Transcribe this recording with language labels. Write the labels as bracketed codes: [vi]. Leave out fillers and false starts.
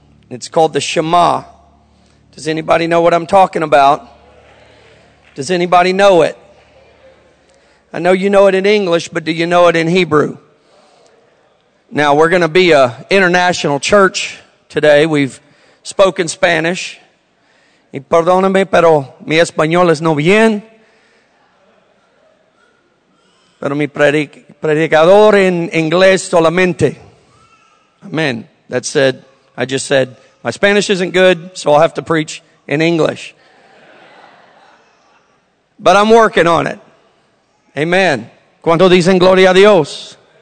[en] It's called the Shema. Does anybody know what I'm talking about? Does anybody know it? I know you know it in English, but do you know it in Hebrew? Now, we're going to be an international church today. We've spoken Spanish. [es] Y perdóname, pero mi español es no bien. Pero mi predicador en inglés solamente. [en] Amen. That said, I just said, my Spanish isn't good, so I'll have to preach in English. But I'm working on it. Amen. [es] ¿Cuánto dicen gloria a Dios?